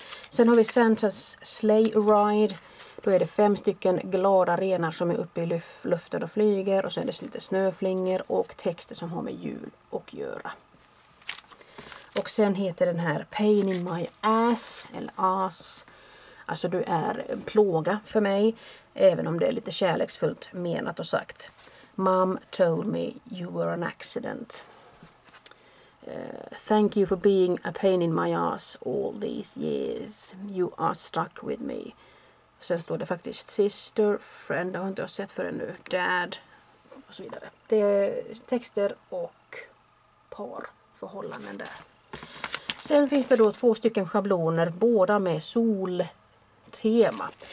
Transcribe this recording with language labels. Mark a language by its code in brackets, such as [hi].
[sv] Sen har vi Santa's Sleigh Ride. Då är det 5 stycken glada renar som är uppe i luften och flyger. Och sen är det lite snöflingor och texter som har med jul att göra. Och sen heter den här Pain in my ass, eller ass. Alltså du är en plåga för mig, även om det är lite kärleksfullt menat och sagt. [en] Mom told me you were an accident. Thank you for being a pain in my ass all these years. You are stuck with me. [sv] Sen står det faktiskt sister, friend, det har inte jag sett förrän nu, dad och så vidare. Det är texter och parförhållanden där. Sen finns det då 2 stycken schabloner, båda med soltema.